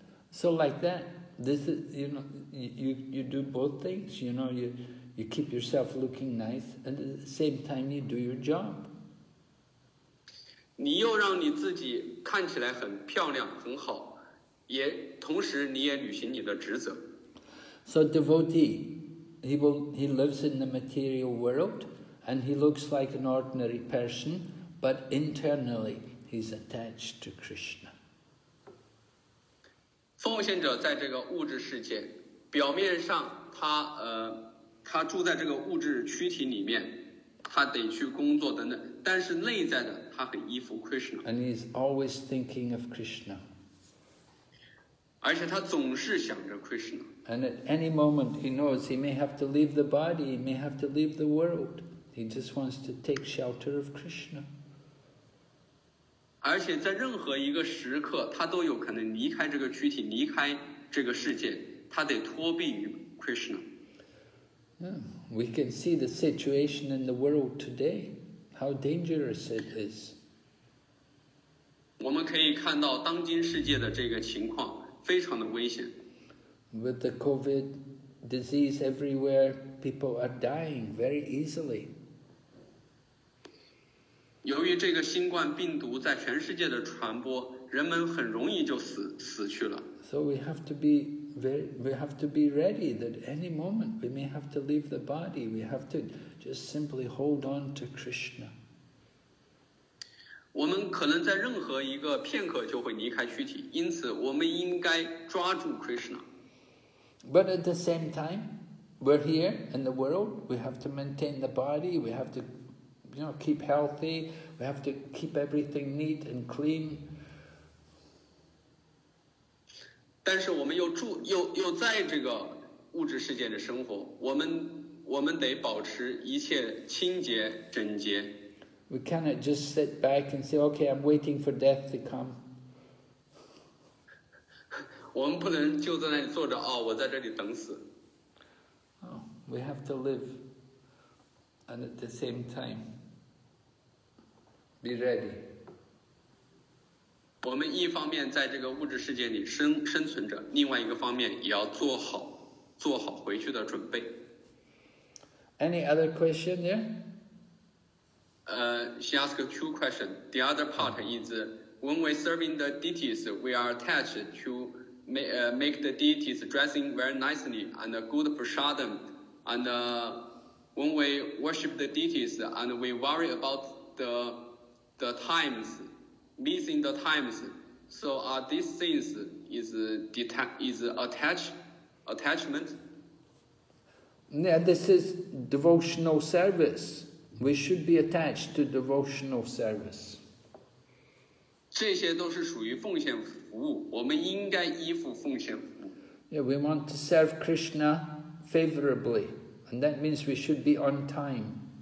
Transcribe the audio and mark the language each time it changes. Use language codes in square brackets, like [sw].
[en] So like that, this is, you know, you do both things, you know, you keep yourself looking nice, and at the same time you do your job. [zh] 你又让你自己看起来很漂亮很好，也同时你也履行你的职责。 [en] So devotee, he lives in the material world, and he looks like an ordinary person, but internally he's attached to Krishna. [zh] 奉献者在这个物质世界，表面上他住在这个物质躯体里面，他得去工作等等，但是内在的。 [en] And he's always thinking of Krishna. [zh] 而且他总是想着 Krishna. [en] And at any moment he knows he may have to leave the body, he may have to leave the world. He just wants to take shelter of Krishna. [zh] 而且在任何一个时刻，他都有可能离开这个躯体，离开这个世界，他得脱避于 Krishna. [en] We can see the situation in the world today. How dangerous it is. [zh] 我们可以看到当今世界的这个情况非常的危险。 [en] With the COVID, disease everywhere. People are dying very easily. [zh] 由于这个新冠病毒在全世界的传播，人们很容易就死去了。 [en] So we have to be ready that any moment we may have to leave the body. We have to just simply hold on to Krishna. [zh] 我们可能在任何一个片刻就会离开躯体，因此我们应该抓住 Krishna。 [en] But at the same time, we're here in the world. We have to maintain the body. We have to, you know, keep healthy. We have to keep everything neat and clean. [zh] 但是我们又在这个物质世界的生活，我们得保持一切清洁整洁。 [en] We cannot just sit back and say, "Okay, I'm waiting for death to come." [zh] 我们不能就在那里坐着，哦，我在这里等死。 [en] We have to live, and at the same time, be ready. [zh] 我们一方面在这个物质世界里生存着，另外一个方面也要做好回去的准备。 [en] Any other question there? She asked two questions. The other part is, when we're serving the deities, we are attached to make the deities dressing very nicely and a good prasadam. And when we worship the deities and we worry about the times, missing the times, so are these things is attachment? Yeah, this is devotional service. We should be attached to devotional service. [zh] 这些都是属于奉献服务，我们应该依附奉献服务。 [en] Yeah, we want to serve Krishna favorably, and that means we should be on time.